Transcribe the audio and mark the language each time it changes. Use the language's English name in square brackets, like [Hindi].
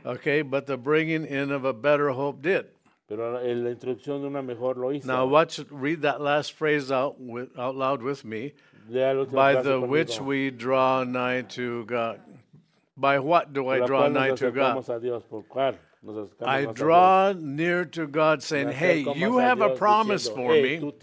[English] Okay, but the bringing in of a better hope did. [Spanish] Pero la introducción de una mejor lo hizo. [English] Now watch, read that last phrase out loud with me. [Spanish] Lea la última [English] by the [Spanish] conmigo. [English] Which we draw nigh to God. By what do [Spanish] por [English] I draw nigh to God? [Spanish] A Dios, ¿por cuál? [English] I draw near to God saying, hey, you have a promise for me.